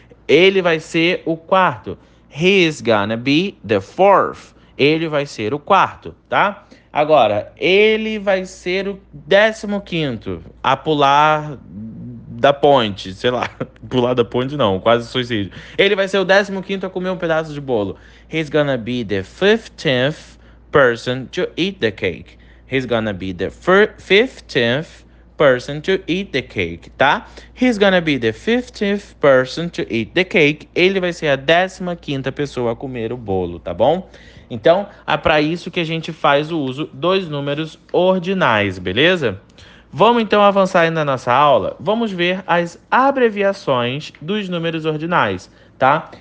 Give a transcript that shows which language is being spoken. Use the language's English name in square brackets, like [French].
[Portuguese] Ele vai ser o quarto. [English] He's gonna be the fourth. [Portuguese] Ele vai ser o quarto, tá? Agora, ele vai ser o 15º a pular da ponte, sei lá, pular da ponte não, quase suicídio. Ele vai ser o 15º a comer um pedaço de bolo. [English] He's gonna be the 15th person to eat the cake. He's gonna be the 15th person to eat the cake, tá? He's gonna be the 15th person to eat the cake. [Portuguese] Ele vai ser a 15ª pessoa a comer o bolo, tá bom? Então, é para isso que a gente faz o uso dos números ordinais, beleza? Vamos então avançar ainda na nossa aula? Vamos ver as abreviações dos números ordinais, tá?